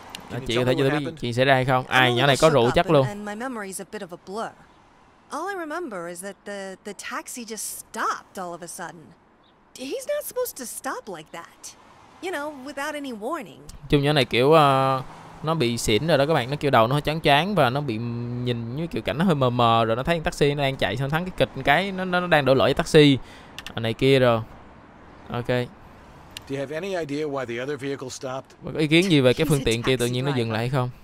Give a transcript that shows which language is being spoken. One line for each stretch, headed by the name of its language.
Vietnamese: Nói chuyện có thể cho tôi biết chuyện xảy ra hay không. Ai nhỏ này có rượu chắc luôn.
English: My memory's a bit of a blur. All I remember is that the taxi just stopped all of a sudden. He's not supposed to stop like that. You know, without any warning.
Vietnamese: Chung nhỏ này kiểu nó bị xỉn rồi đó các bạn, nó kiểu đầu nó hơi chán chán và nó bị nhìn như kiểu cảnh nó hơi mờ mờ rồi nó thấy taxi nó đang chạy xong thắng cái kịch cái nó đang đổ lỗi cho taxi à, này kia rồi.
English: Ok. Do you have any idea why the other vehicle stopped?
Vietnamese: Và có ý kiến gì về cái phương tiện kia tự nhiên nó dừng lại hay không?